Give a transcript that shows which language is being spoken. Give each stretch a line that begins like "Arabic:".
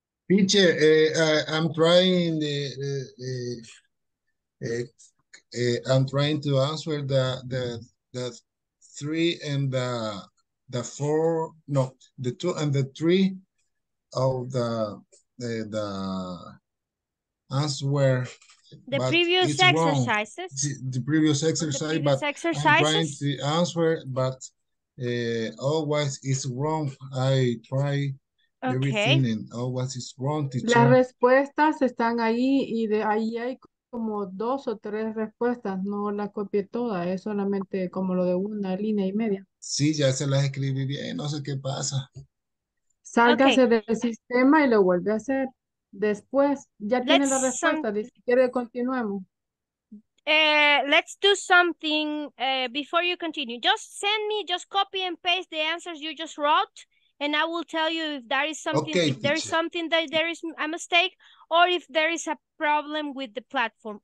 English: Teacher, I'm trying to answer the 3 and the 4, no, the 2 and the 3 of the answer. The previous exercises. The previous exercise, but I'm trying to answer, but always it's wrong. I try. Okay.
Spanish: Las respuestas están ahí y de ahí hay como 2 o 3 respuestas. No las copié todas, es solamente como lo de una línea y media. Sí, ya se las escribí bien, no sé qué pasa. Sálgase okay. del sistema y lo vuelve a hacer. Después ya tiene la respuesta, ni siquiera continuemos.
English: Let's do something before you continue. Just send me, just copy and paste the answers you just wrote. And I will tell you if there is something, okay, if there is something that there is a mistake or if there is a problem with the platform.